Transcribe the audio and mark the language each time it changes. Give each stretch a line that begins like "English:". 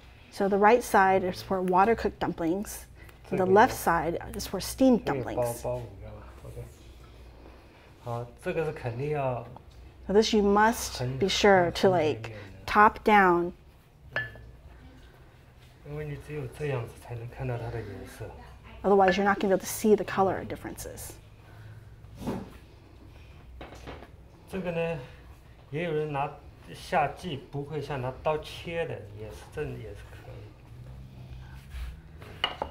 English: So the right side is for water cooked dumplings, the left side is for steamed dumplings.
Chinese: 包五个吧 ，OK。好，这个是肯定要。
English: Now、this you must be sure to like top down.
Chinese: 因为你只有这样子才能看到它的颜色。
English: Otherwise, you're not going to be able to see the color differences.
Chinese: 这个呢？也有人拿下剂，不会像拿刀切的，也是这也是可以。